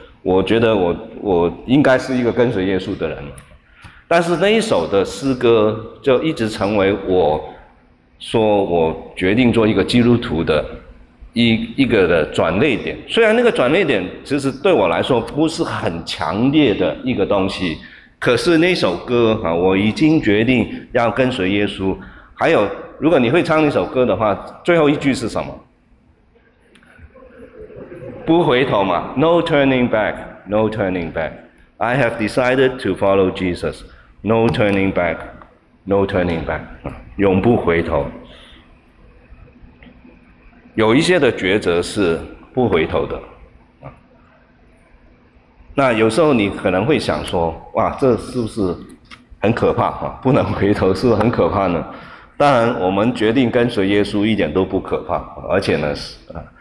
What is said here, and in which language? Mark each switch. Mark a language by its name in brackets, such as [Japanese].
[Chinese] 我觉得我应该是一个跟随耶稣的人，但是那一首的诗歌就一直成为我说我决定做一个基督徒的一个的转捩点。虽然那个转捩点其实对我来说不是很强烈的一个东西，可是那首歌啊，我已经决定要跟随耶稣。还有，如果你会唱那首歌的话，最后一句是什么？不回头嘛 [English] ，No turning back, No turning back. I have decided to follow Jesus. No turning back, No turning back. [Chinese] 永不回头。有一些的抉择是不回头的。那有时候你可能会想说，哇，这是不是很可怕啊？不能回头是不是很可怕呢？当然，我们决定跟随耶稣一点都不可怕，而且呢是啊。